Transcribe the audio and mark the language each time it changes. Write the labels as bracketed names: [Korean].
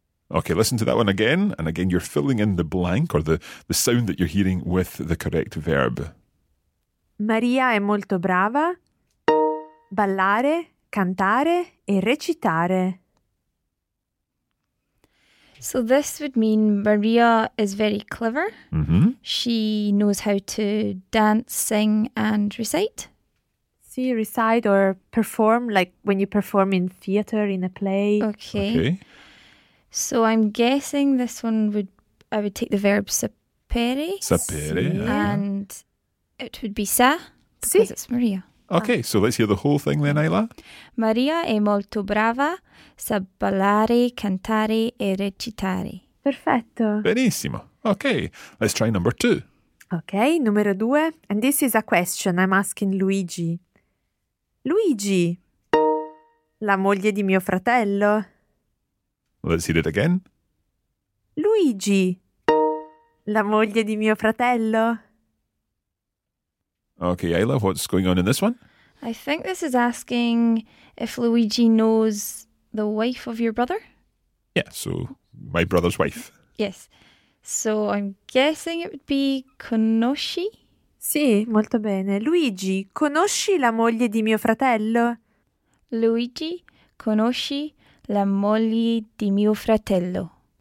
[English] Okay, listen to that one again. And again, you're filling in the blank or the sound that you're hearing with the correct verb. [Italian] Maria è molto brava. Ballare, cantare e recitare. [English] So this would mean Maria is very clever. Mm-hmm. She knows how to dance, sing and recite. Recite or perform, like when you perform in theatre, in a play. Okay. So I'm guessing this one would, I would take the verb sapere. [Italian] Sapere. Sì. [English] And it would be sa, because sì. It's Maria. Okay, so let's hear the whole thing then, Ayla. [Italian] Maria è molto brava, sa ballare, cantare e recitare. Perfetto. Benissimo. [English] Okay, let's try number two. [Italian] Okay, numero due. [English] And this is a question I'm asking Luigi. [Italian] Luigi, la moglie di mio fratello. [English] Let's hear it again. [Italian] Luigi, la moglie di mio fratello. [English] Okay, Ayla, what's going on in this one? I think this is asking if Luigi knows the wife of your brother. Yeah, so my brother's wife. Yes. So I'm guessing it would be conosci. [Italian] Sì, molto bene. Luigi, conosci la moglie di mio fratello? Luigi, conosci la moglie di mio fratello.